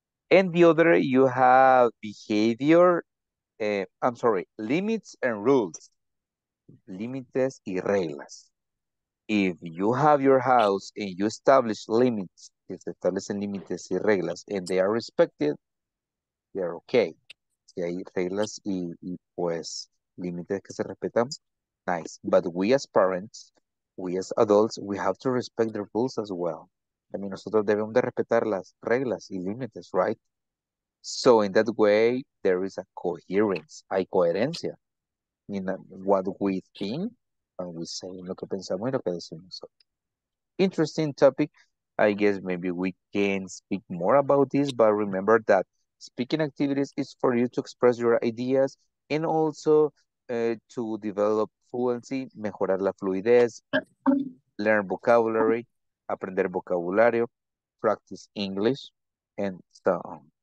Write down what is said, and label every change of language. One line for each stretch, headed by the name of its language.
English: And the other, you have behavior, I'm sorry, limits and rules.
Spanish: Límites y reglas.
English: If you have your house and you establish limits,
Spanish: si se establecen límites y reglas
English: and they are respected, they are okay.
Spanish: Si hay reglas y pues límites que se respetan, nice.
English: But we as parents, we as adults, we have to respect the rules as well. I mean,
Spanish: nosotros debemos de respetar las reglas y límites, right?
English: So in that way, there is a coherence.
Spanish: Hay coherencia
English: in what we think and we say,
Spanish: lo que pensamos y lo que decimos.
English: Interesting topic. I guess maybe we can speak more about this, but remember that speaking activities is for you to express your ideas and also to develop fluency,
Spanish: mejorar la fluidez,
English: learn vocabulary,
Spanish: aprender vocabulario,
English: practice English, and so on.